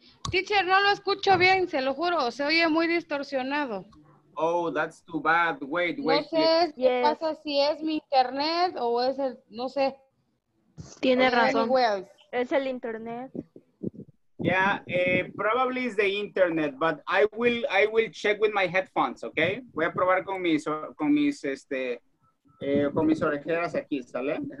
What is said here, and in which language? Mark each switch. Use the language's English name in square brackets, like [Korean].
[Spanish] Teacher, no lo escucho bien, se lo juro. Se oye muy distorsionado. [English] Oh, that's too bad. Wait, wait. [Spanish] No sé qué pasa si es mi internet o es el, no sé. Tiene razón. Es el internet. [English] Yeah, probably is the internet, but I will check with my headphones, okay? [Spanish] Voy a probar con mis orejeras aquí, ¿sale?